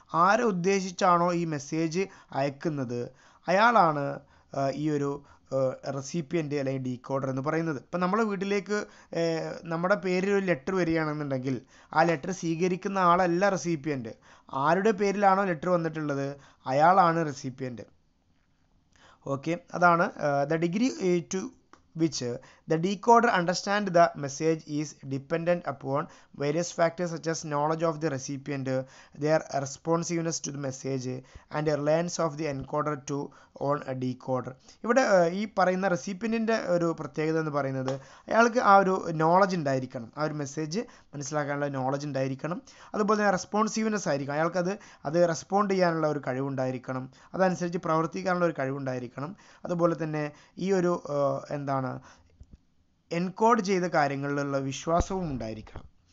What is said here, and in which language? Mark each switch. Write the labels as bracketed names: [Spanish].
[Malayalam] ആരെ ഉദ്ദേശിച്ചാണോ ഈ മെസ്സേജ് അയക്കുന്നത് അയാളാണ് ഈ ഒരു റെസിപ്പിയൻ്റ് അല്ലെങ്കിൽ ഡീകോഡർ എന്ന് പറയുന്നത്. ഇപ്പം നമ്മുടെ വീട്ടിലേക്ക് നമ്മുടെ പേരിലൊരു ലെറ്റർ വരികയാണെന്നുണ്ടെങ്കിൽ ആ ലെറ്റർ സ്വീകരിക്കുന്ന ആളല്ല റെസിപ്പിയൻ്റ്, ആരുടെ പേരിലാണോ ലെറ്റർ വന്നിട്ടുള്ളത് അയാളാണ് റെസിപ്പിയൻ്റ്. ഓക്കെ, അതാണ് [English] The degree to which The decoder understands the message is dependent upon various factors such as knowledge of the recipient, their responsiveness to the message, and the reliance of the encoder to on a decoder. [Malayalam] ഇവിടെ ഈ പറയുന്ന റെസിപ്പിയന്റിന്റെ ഒരു പ്രത്യേകത എന്ന് പറയുന്നത് അയാൾക്ക് ആ ഒരു നോളജ് ഉണ്ടായിരിക്കണം, ആ ഒരു മെസ്സേജ് മനസ്സിലാക്കാനുള്ള നോളജ് ഉണ്ടായിരിക്കണം, അതുപോലെ തന്നെ റെസ്പോൺസീവ്നെസ് ആയിരിക്കണം, അയാൾക്ക് അത് റെസ്പോണ്ട് ചെയ്യാനുള്ള ഒരു കഴിവുണ്ടായിരിക്കണം, അതനുസരിച്ച് പ്രവർത്തിക്കാനുള്ള ഒരു കഴിവുണ്ടായിരിക്കണം. അതുപോലെ തന്നെ ഈ ഒരു എന്താണ് എൻകോഡ് ചെയ്ത കാര്യങ്ങളിലുള്ള വിശ്വാസവും ഉണ്ടായിരിക്കണം.